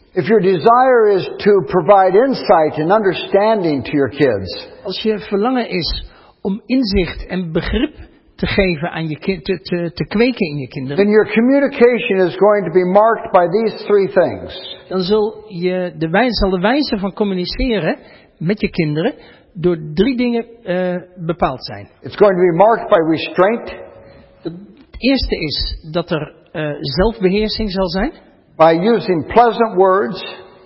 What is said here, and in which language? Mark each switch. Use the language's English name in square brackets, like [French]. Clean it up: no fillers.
[English] if your desire is to provide insight and understanding to your kids, [Dutch] als je verlangen is om inzicht en begrip te geven aan je te kweken in je kinderen, [English] then your communication is going to be marked by these three things. [Dutch] Dan zal de wijze van communiceren met je kinderen door drie dingen bepaald zijn. [English] It's going to be marked by restraint. [Dutch] Het eerste is dat er zelfbeheersing zal zijn. [English] By using pleasant words.